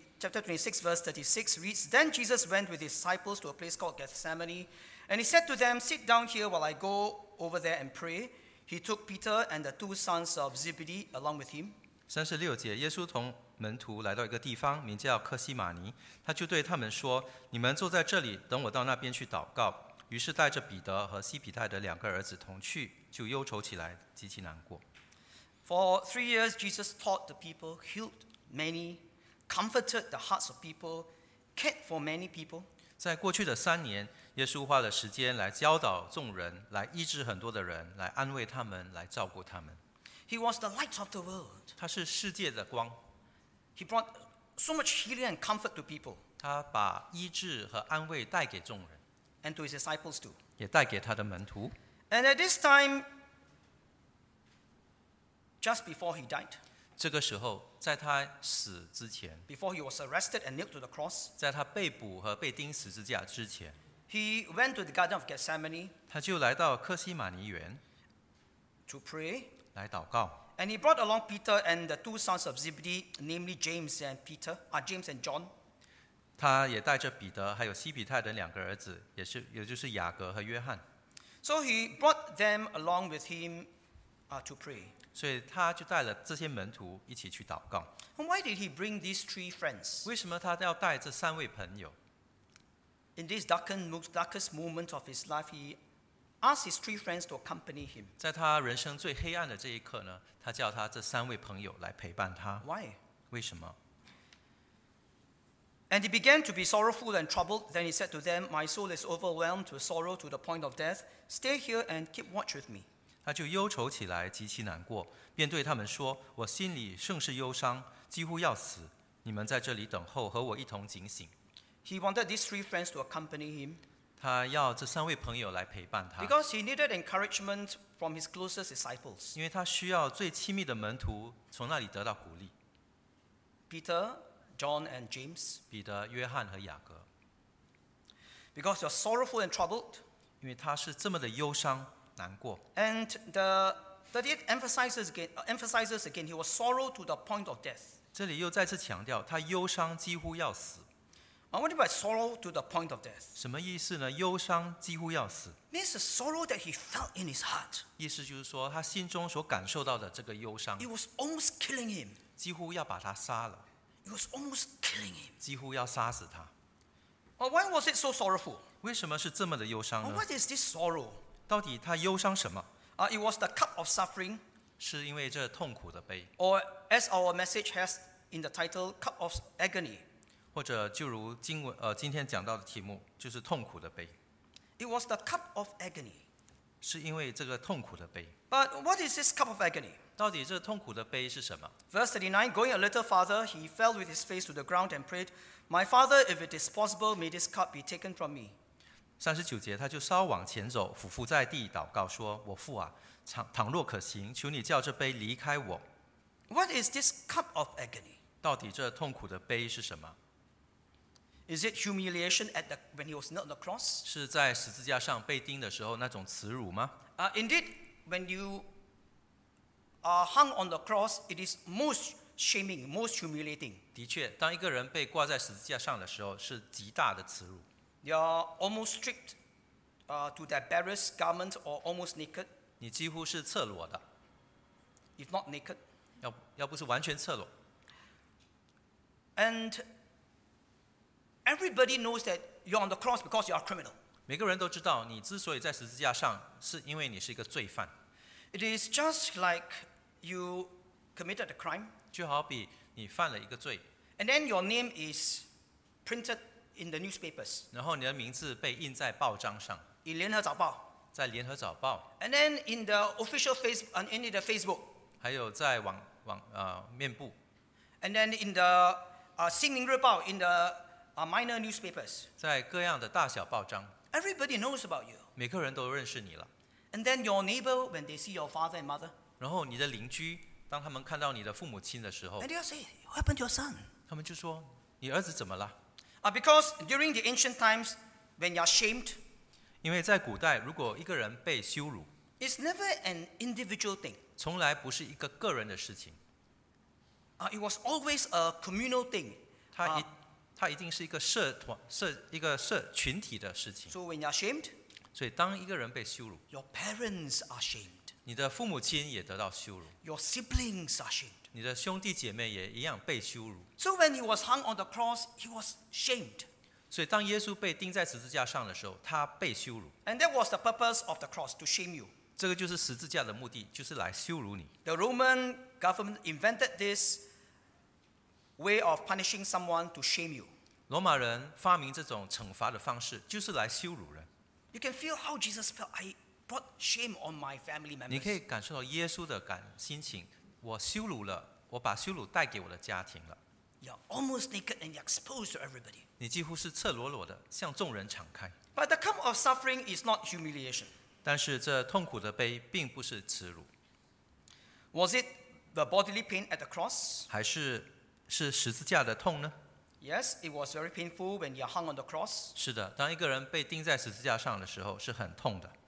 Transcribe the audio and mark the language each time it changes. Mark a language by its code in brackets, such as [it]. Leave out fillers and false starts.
[en] Chapter 26, verse 36 reads, Then Jesus went with his disciples to a place called Gethsemane, and he said to them, Sit down here while I go over there and pray. He took Peter and the two sons of Zebedee along with him. [zh] 36节，耶稣同门徒来到一个地方，名叫克西马尼。他就对他们说，你们坐在这里，等我到那边去祷告。于是带着彼得和西庇太的两个儿子同去，就忧愁起来，极其难过。 [en] For 3 years, Jesus taught the people, healed many, comforted the hearts of people, cared for many people. [zh] 在过去的三年，耶稣花了时间来教导众人，来医治很多的人，来安慰他们，来照顾他们。 [en] He was the light of the world. [zh] 他是世界的光。 [en] He brought so much healing and comfort to people. [zh] 他把医治和安慰带给众人。 [en] And to his disciples too. [zh] 也带给他的门徒。 [en] And at this time,Just before he died, [zh] 这个时候，在他死之前 [en] ，before he was arrested and nailed to the cross, [zh] 在他被捕和被钉十字架之前 [en] ，he went to the Garden of Gethsemane, [zh] 他就来到克西马尼园 [en] ，to pray, [zh] 来祷告 [en] ，and he brought along Peter and the two sons of Zebedee, namely James and Peter, James and John. [zh] 他也带着彼得还有西庇太的两个儿子，也就是雅各和约翰。 [en] So he brought them along with him to pray. [zh] 所以他就带了这些门徒一起去祷告。 [en] And why did he bring these three friends? [zh] 为什么他要带这三位朋友？ [en] In this darkest moment of his life, he asked his three friends to accompany him. [zh] 在他人生最黑暗的这一刻呢，他叫他这三位朋友来陪伴他。 [en] Why? [zh] 为什么？ [en] And he began to be sorrowful and troubled. Then he said to them, My soul is overwhelmed with sorrow to the point of death. Stay here and keep watch with me. [zh] 他就忧愁起来，极其难过，便对他们说，我心里甚是忧伤，几乎要死。你们在这里等候，和我一同警醒。 [en] He wanted these three friends to accompany him. [zh] 他要这三位朋友来陪伴他。 [en] Because he needed encouragement from his closest disciples. [zh] 因为他需要最亲密的门徒从那里得到鼓励。 [en] Peter,John and James. [zh] 彼得、约翰和雅各。 [en] Because you're sorrowful and troubled. [zh] 因为他是这么的忧伤、难过。 [en] And the 38 emphasizes again, he was sorrow to the point of death. [zh] 这里又再次强调，他忧伤几乎要死。 [en] I wonder about sorrow to the point of death. [zh] 什么意思呢？忧伤几乎要死。 [en] This is sorrow that he felt in his heart. [zh] 意思就是说，他心中所感受到的这个忧伤。 [en] It was almost killing him. [zh] 几乎要把他杀了。 [en] It was almost killing him. [zh] 几乎要杀死他。 [en] Well, why was it so sorrowful? [zh] 为什么是这么的忧伤呢？ [en] What is this sorrow? [zh] 到底他忧伤什么？ [en] It was the cup of suffering. [zh] 是因为这痛苦的杯。 [en] Or as our message has in the title, cup of agony. [zh] 或者就如经文今天讲到的题目，就是痛苦的杯。 [en] It was the cup of agony. [zh] 是因为这个痛苦的杯。 [en] But what is this cup of agony? [zh] 到底这痛苦的杯是什么？ [en] Verse 39, going a little farther, he fell with his face to the ground and prayed, My father, if it is possible, may this cup be taken from me. [zh] 39节，他就稍往前走，俯伏在地祷告说，我父啊，倘若可行，求你叫这杯离开我。 [en] What is this cup of agony? [zh] 到底这痛苦的杯是什么？ [en] Is it humiliation when he was nailed on the cross? [zh] 是在十字架上被钉的时候那种耻辱吗？ [en] Indeed, when youhung on the cross, it is most shaming, most humiliating. [zh] 的确，当一个人被挂在十字架上的时候，是极大的耻辱。 [en] They are almost stripped, to their barest garment or almost naked. [zh] 你几乎是赤裸的。 [en] If not naked. [zh] 要不是完全赤裸。 [en] And everybody knows that you're on the cross because you are a criminal. [zh] 每个人都知道，你之所以在十字架上，是因为你是一个罪犯。 [en] It is just like you committed a crime. [zh] 就好比你犯了一个罪。 [en] And then your name is printed in the newspapers. [zh] 然后你的名字被印在报章上。 [en] In 联合早报。 [zh] 在联合早报。 [en] And then in the official Facebook, and in the Facebook. [zh] 还有在面部。 [en] And then in the 新民日报 in the minor newspapers. [zh] 在各样的大小报章。 [en] Everybody knows about you. [zh] 每个人都认识你了。 [en] And then your neighbor, when they see your father and mother, [zh] 然后你的邻居，当他们看到你的父母亲的时候 [en] ，and they say, "What happened to your son?" [zh] 他们就说，你儿子怎么了？ [en] Because during the ancient times, when you are shamed, [zh] 因为在古代，如果一个人被羞辱 [en] ，it's never an individual thing. [zh] 从来不是一个个人的事情。 [en] It was always a communal thing. [zh] 它一定是一个社团、一个群体的事情。 [en] So when you are shamed. [zh] 所以当一个人被羞辱 [en] Your parents are shamed. [zh] 你的父母亲也得到羞辱 [en] Your siblings are shamed. [zh] 你的兄弟姐妹也一样被羞辱 [en] So when he was hung on the cross, he was shamed. [zh] 所以当耶稣被钉在十字架上的时候他被羞辱 [en] And that was the purpose of the cross, to shame you. [zh] 这个就是十字架的目的就是来羞辱你 [en] The Roman government invented this way of punishing someone to shame you. [zh] 罗马人发明这种惩罚的方式就是来羞辱人 [en] You can feel how Jesus felt. I brought shame on my family members. [zh] 你可以感受到耶稣的心情。我羞辱了，我把羞辱带给我的家庭了。 [en] You're almost naked and exposed to everybody. [zh] 你几乎是赤裸裸的向众人敞开。 [en] But the cup of suffering is not humiliation. [zh] 但是这痛苦的杯并不是耻辱。 [en] Was it the bodily pain at the cross? [zh] 还是十字架的痛呢？ [en] Yes, it was very painful when you are hung on the cross. [zh] 是的，当一个人被钉在十字架上的时候，是很痛的。